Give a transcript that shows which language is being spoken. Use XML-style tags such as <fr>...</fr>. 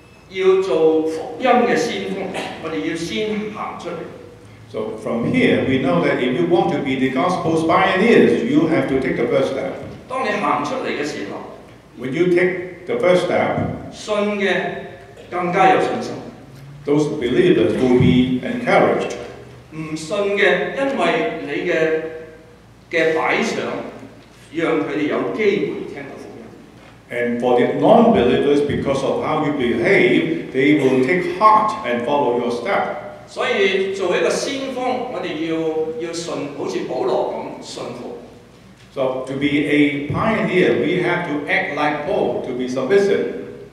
<yue>要做福音嘅先鋒，我哋要先行出嚟。</yue> <en>So from here, we know that if you want to be the gospel's pioneers, you have to take the first step.</en> <yue>當你行出嚟嘅時候</yue> <en>，When you take the first step，</en> <yue>信嘅更加有信心。</yue> <en>Those believers will be encouraged.</en> <yue>唔信嘅，因為你嘅擺上，讓佢哋有機會。</yue> <en>And for the non-believers, because of how you behave, they will take heart and follow your step.</en> <yue>所以作為一個先鋒，我哋要信，好似保羅咁信服。</yue> <en>So to be a pioneer, we have to act like Paul to be submissive.</en>